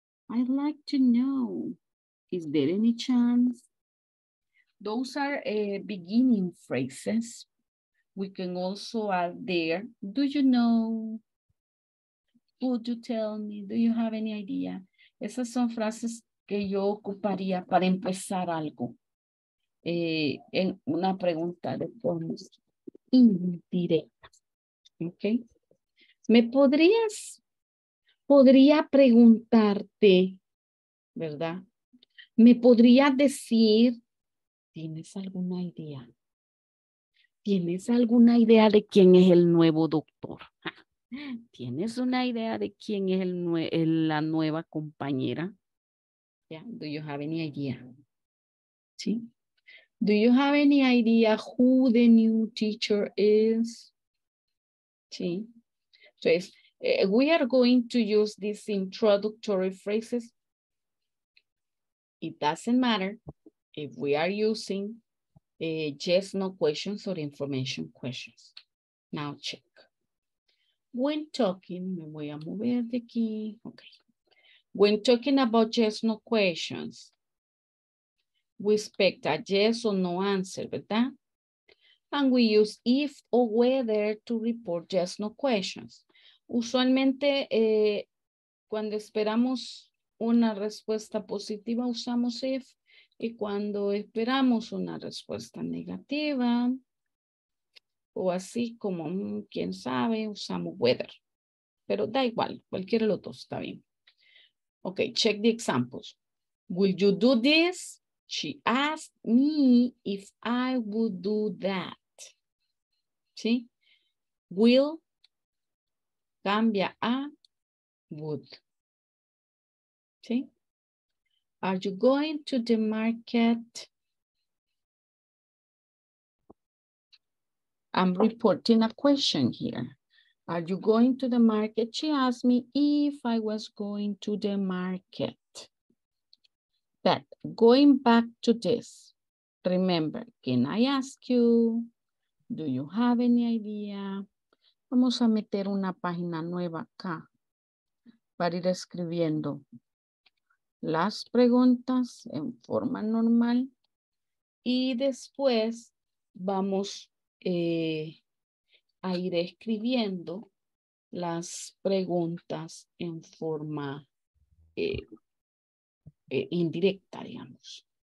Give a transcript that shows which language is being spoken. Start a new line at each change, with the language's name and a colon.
English: I'd like to know, is there any chance? Those are beginning phrases. We can also add there, do you know? Would you tell me, do you have any idea?
Spanish: Esas son frases que yo ocuparía para empezar algo. En una pregunta de forma indirecta. Okay. ¿Me podrías, podría preguntarte, verdad? ¿Me podría decir, tienes alguna idea? ¿Tienes alguna idea de quién es el nuevo doctor? ¿Tienes una idea de quién es la nueva compañera?
English: Yeah. Do you have any idea?
Spanish: ¿Sí?
English: Do you have any idea who the new teacher is?
Spanish: ¿Sí?
English: Entonces, we are going to use these introductory phrases. It doesn't matter if we are using yes, no questions or information questions. Now check. When talking,
Spanish: me voy a mover de aquí.
English: Okay. When talking about yes, no questions, we expect a yes or no answer, ¿verdad? And we use if or whether to report yes, no questions.
Spanish: Usualmente, cuando esperamos una respuesta positiva, usamos if. Y cuando esperamos una respuesta negativa, o así como quién sabe, usamos whether. Pero da igual, cualquiera de los dos está bien.
English: Ok, check the examples. Will you do this? She asked me if I would do that.
Spanish: ¿Sí? Will cambia a would. ¿Sí?
English: Are you going to the market? I'm reporting a question here. Are you going to the market? She asked me if I was going to the market. But going back to this, remember, can I ask you, do you have any idea?
Spanish: Vamos a meter una página nueva acá para ir escribiendo las preguntas en forma normal y después vamos a ir escribiendo las preguntas en forma indirecta, digamos.